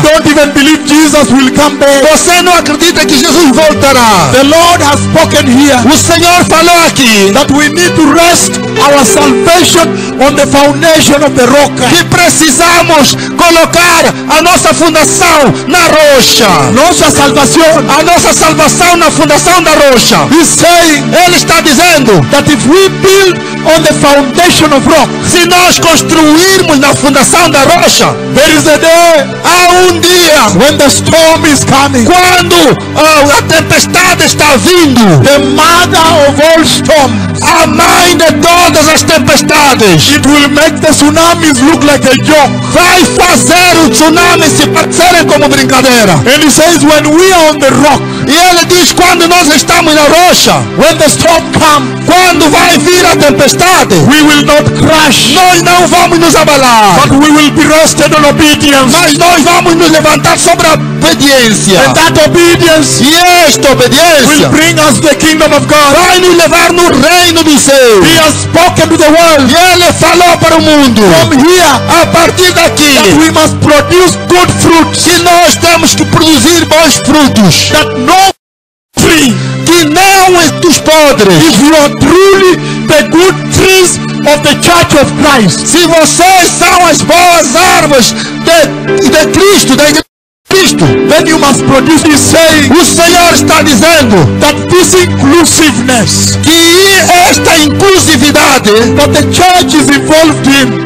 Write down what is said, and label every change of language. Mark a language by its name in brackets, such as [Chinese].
[English] You don't even believe Jesus will come back. [Portuguese] Você não acredita que Jesus voltará. [English] The Lord has spoken here. [Portuguese] O Senhor falou aqui. [English] That we need to rest our salvation on the foundation of the rock. [Portuguese] Que precisamos colocar a nossa fundação na rocha. Nossa salvação. A nossa salvação na fundação da rocha. [English] He say. [Portuguese] Ele está dizendo. [English] That if we build on the foundation of rock. [Portuguese] Se nós construirmos na fundação da rocha. [English] There is a day. [Portuguese] Há um dia. [English] When the storm is coming. [Portuguese] Quando a tempestade está vindo. [English] The mother of all storms. [Portuguese] A mãe de todas as tempestades. [English] It will make the tsunamis look like a joke. [Portuguese] Vai fazer o tsunami se parecerem como brincadeira. [English] And he says when we are on the rock. [Portuguese] E ele diz quando nós estamos na rocha. [English] When the storm comes. [Portuguese] Quando vai vir a tempestade. [English] We will not crash. [Portuguese] Nós não vamos nos abalar. [English] But we will be rested on obedience. [Portuguese] Mas nós vamos nos levantar sobre a obediência. [English] And that obedience. [Portuguese] E esta obediência. [English] Will bring us the kingdom of God. [Portuguese] Vai nos levar no reino do céu. [English] He has spoken to the world. [Portuguese] E ele falou para o mundo. [English] From here. [Portuguese] A partir daqui. [English] That we must produce good fruits. [Portuguese] Que nós temos que produzir bons frutos. [English] That no tree. [Portuguese] Que não é dos podres. [English] If you are truly the good trees of the Church of Christ. [Portuguese] Se vocês são as boas árvores de Cristo, da Igreja de Cristo. [English] Then you must produce. Say, [Portuguese] o Senhor está dizendo. [English] That this inclusiveness. [Portuguese] Que esta inclusividade. [English] That the Church is involved in.